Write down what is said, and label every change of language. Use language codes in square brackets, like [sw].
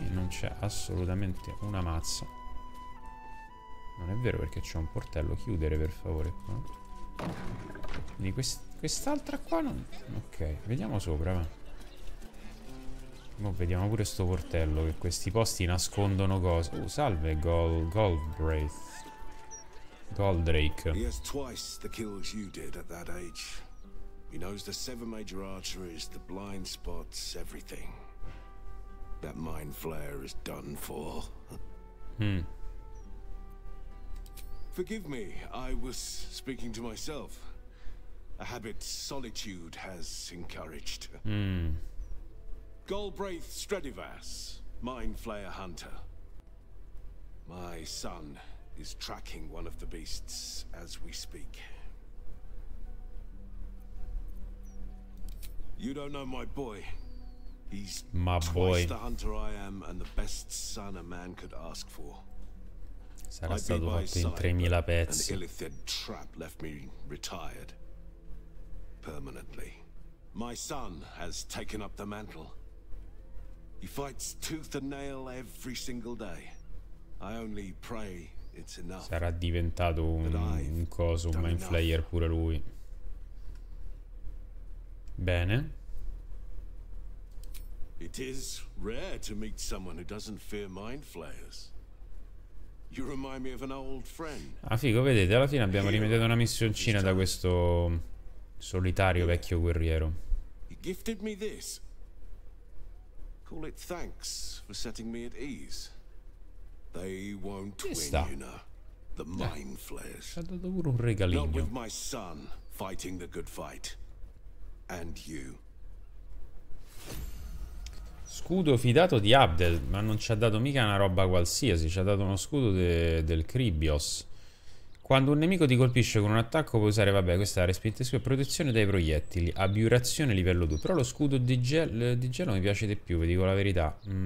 [it] Non c'è assolutamente una mazza. Non è vero, perché c'è un portello. Chiudere per favore qua. Quindi quest'altra qua non... Ok, vediamo sopra, va. Vediamo pure sto portello, che questi posti nascondono cose. Salve Goldbraith. Goldrake. [en] He has twice the kills you did at that age. He knows the seven major arteries, the blind spots, everything. That mind flare is done for. Forgive me, I was speaking to myself. A habit solitude has encouraged. Galbraith Stradivas, mind flare hunter. My son is tracking one of the beasts as we speak. You don't know my boy. He's my boy. Twice the hunter I am and the best son a man could ask for. [it] Sarà stato fatto in 3000 pezzi. [en] An illithid trap left me retired. Permanently. My son has taken up the mantle. He fights tooth and nail every single day. I only pray it's enough. [it] Sarà diventato un coso, un mind flayer pure lui. Bene. [en] It is rare to meet someone who doesn't fear mind flayers. You remind me of an old friend. [it] Ah figo, vedete, alla fine abbiamo rimediato una missioncina da questo solitario vecchio guerriero. [en] He gifted me this. Call it thanks for setting me at ease. They won't win, you know. The mind flayers. [it] Ha dato pure un regalino. [en] Not with my son fighting the good fight. And you. [it] Scudo fidato di Abdel, ma non ci ha dato mica una roba qualsiasi, ci ha dato uno scudo del Kribios. Quando un nemico ti colpisce con un attacco puoi usare, vabbè, questa è la respinta sua, protezione dai proiettili, abiurazione livello 2. Però lo scudo di gelo mi piace di più, vi dico la verità.